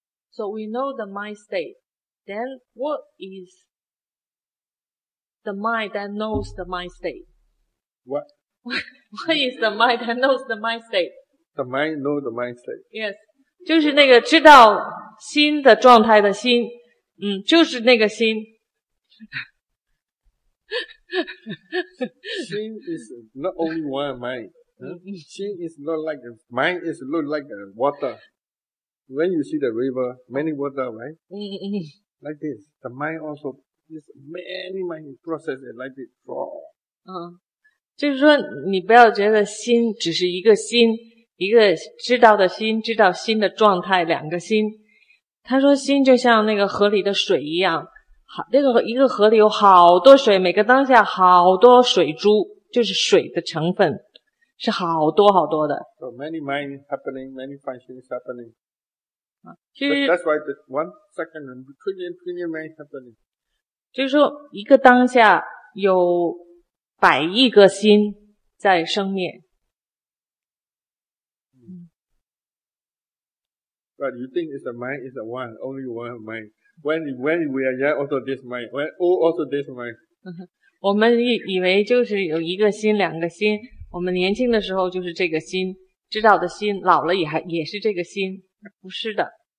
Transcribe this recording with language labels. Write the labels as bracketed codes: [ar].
[en] So we know the mind state. Then what is the mind that knows the mind state? What is the mind that knows the mind state? The mind knows the mind state. Yes. [zh] 就是那个知道心的状态的心。就是那个心。 [en] 心is not only one mind. Huh? Mm-hmm. Is not like, mind is not like a water. When you see the river, many water, right? Mm-hmm. Like this. The mind also, is many mind process it like this. Uh-huh. [zh] 就是说你不要觉得心只是一个心，一个知道的心，知道心的状态，两个心。他说心就像那个河里的水一样，好，那个一个河里有好多水，每个当下好多水珠，就是水的成分是好多好多的。 [en] So many mind happening, many functions happening. [zh] 啊，其实 [en] that's why the one second and trillion mind happening. [zh] 就是说一个当下有百亿个心在生灭。 [en] But you think it's a mind, it's a one, only one mind. When we are young, also this mind. When old, also this mind. [zh] 我们以为就是有一个心，两个心。我们年轻的时候就是这个心，知道的心，老了也是这个心，不是的。